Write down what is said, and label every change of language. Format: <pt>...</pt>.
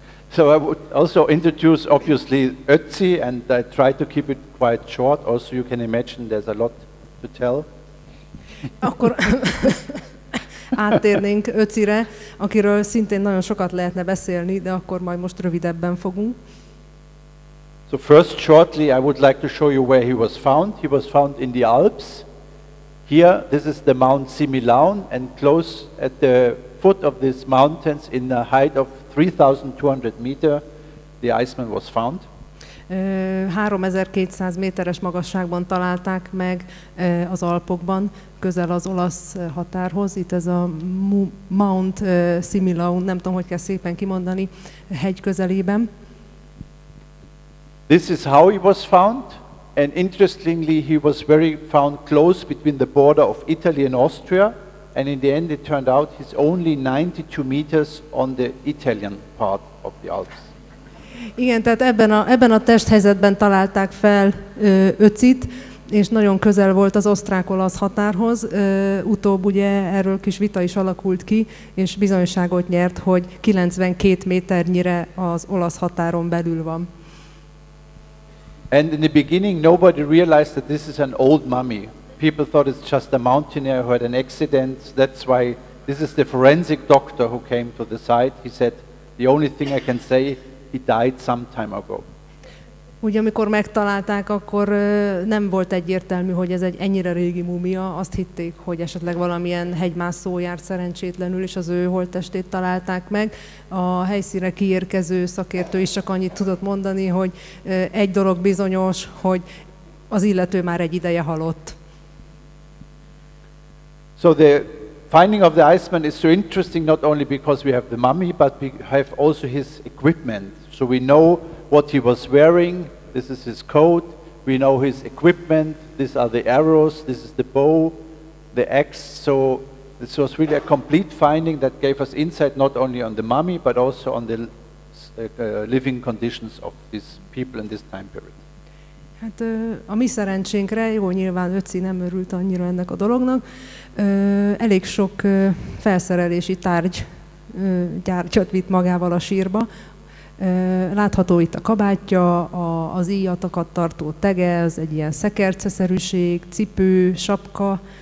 <en>So I would also introduce, obviously, Ötzi, and I try to keep it quite short. Also, you can imagine there's a lot to tell.</en> <hu>Akkor áttérnénk Ötzire, akiről szintén nagyon sokat lehetne beszélni, de akkor majd most rövidebben fogunk.</hu> <en>So first, shortly, I would like to show you where he was found. He was found in the Alps. Here, this is the Mount Similaun, and close at the foot of these mountains, in the height of 3,200 meter, the Iceman was found.</en> <hu>3200 méteres magasságban találták meg az Alpokban, közel az olasz határhoz. Itt ez a Mount Similaun, nem tudom, hogy kell szépen kimondani, hegy közelében.</hu> <en>This is how he was found. And interestingly, he was very found close between the border of Italy and Austria. And in the end, it turned out he's only 92 meters on the Italian part of the Alps.</en> <hu>Igen, tehát ebben a testhelyzetben találták fel Öcit, és nagyon közel volt az osztrák-olasz határhoz. Utóbb ugye erről kis vita is alakult ki, és bizonyságot nyert, hogy 92 méternyire az olasz határon belül van.</hu> <en>And in the beginning, nobody realized that this is an old mummy. People thought it's just a mountaineer who had an accident. That's why this is the forensic doctor who came to the site. He said, the only thing I can say, he died some time ago.</en> <hu>Ugye amikor megtalálták, akkor nem volt egyértelmű, hogy ez egy ennyire régi múmia. Azt hitték, hogy esetleg valamilyen hegymászó járt szerencsétlenül, és az ő holttestét találták meg. A helyszínre kiérkező szakértő is csak annyit tudott mondani, hogy egy dolog bizonyos, hogy az illető már egy ideje halott.</hu> <en>So the finding of the Iceman is so interesting not only because we have the mummy, but we have also his equipment. So we know what he was wearing, this is his coat, we know his equipment, these are the arrows, this is the bow, the axe. So this was really a complete finding that gave us insight not only on the mummy, but also on the living conditions of these people in this time period.</en> <hu>Hát a mi szerencsénkre, jó, nyilván Öci nem örült annyira ennek a dolognak, elég sok felszerelési tárgyat vitt magával a sírba. Látható itt a kabátja, az íjatakat tartó tegez, egy ilyen szekerceszerűség, cipő, sapka.</hu>